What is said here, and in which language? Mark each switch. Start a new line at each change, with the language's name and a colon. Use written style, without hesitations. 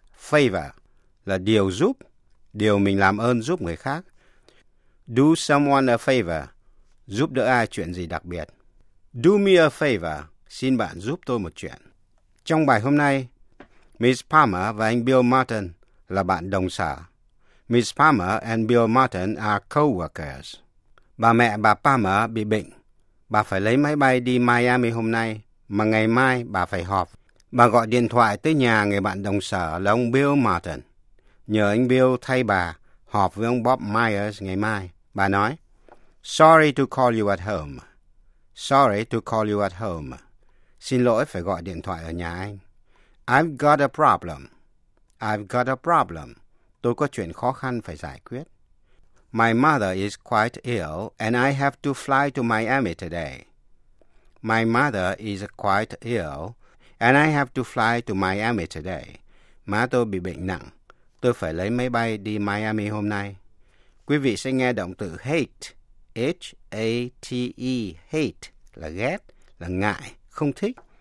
Vietnamese: Favor là điều giúp, điều mình làm ơn giúp người khác.
English: Do someone a favor,
Vietnamese: giúp đỡ ai chuyện gì đặc biệt.
English: Do me a favor,
Vietnamese: xin bạn giúp tôi một chuyện. Trong bài hôm nay, Miss Palmer và anh Bill Martin là bạn đồng sở.
English: Miss Palmer and Bill Martin are co-workers.
Vietnamese: Bà mẹ bà Palmer bị bệnh. Bà phải lấy máy bay đi Miami hôm nay, mà ngày mai bà phải họp. Bà gọi điện thoại tới nhà người bạn đồng sở là ông Bill Martin. Nhờ anh Bill thay bà họp với ông Bob Myers ngày mai. Bà nói,
English: Sorry to call you at home. Sorry to call you at home.
Vietnamese: Xin lỗi phải gọi điện thoại ở nhà anh.
English: I've got a problem. I've got a problem.
Vietnamese: Tôi có chuyện khó khăn phải giải quyết.
English: My mother is quite ill and I have to fly to Miami today. My mother is quite ill and I have to fly to Miami today.
Vietnamese: Má tôi bị bệnh nặng. Tôi phải lấy máy bay đi Miami hôm nay. Quý vị sẽ nghe động từ hate. H-A-T-E, hate, là ghét, là ngại, không thích.